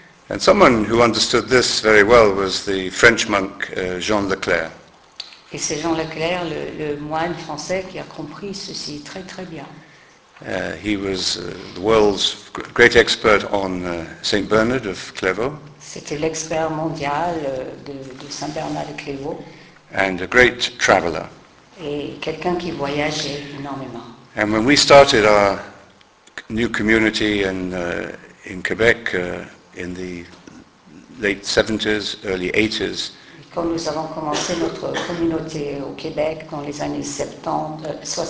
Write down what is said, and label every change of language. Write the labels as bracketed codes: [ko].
[en] And someone who understood this very well was the French monk Jean Leclerc. [fr] Et c'est Jean Leclerc, le moine français, qui a compris ceci très très bien. [en] He was the world's great expert on Saint Bernard of Clairvaux. [fr] C'était l'expert mondial de Saint Bernard de Clairvaux. [en] And a great traveler. [fr] Et quelqu'un qui voyageait énormément. [en] And when we started our new community in Quebec in the late 70s, early 80s, [fr] quand nous avons commencé notre communauté au Québec dans les années 70-80,